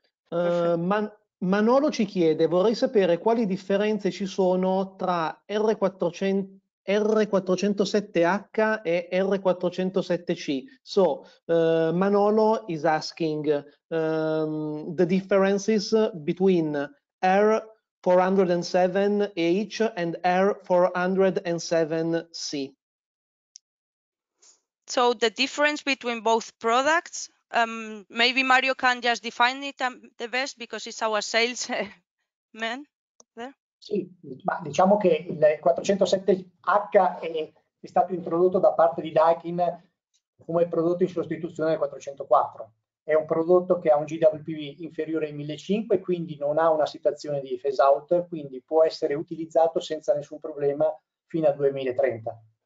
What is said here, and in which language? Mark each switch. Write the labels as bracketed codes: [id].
[it] Manolo ci chiede, vorrei sapere quali differenze ci sono tra R407H e R407C. [en] So, Manolo is asking the differences between R407H and R407C. So the difference between both products, maybe Mario can just define it the best because it's our sales man there. [it] Sì, ma diciamo che il 407H è stato introdotto da parte di Daikin come prodotto in sostituzione del 404. È un prodotto che ha un GWP inferiore ai 1500, quindi non ha una situazione di phase out, quindi può essere utilizzato senza nessun problema fino a 2030.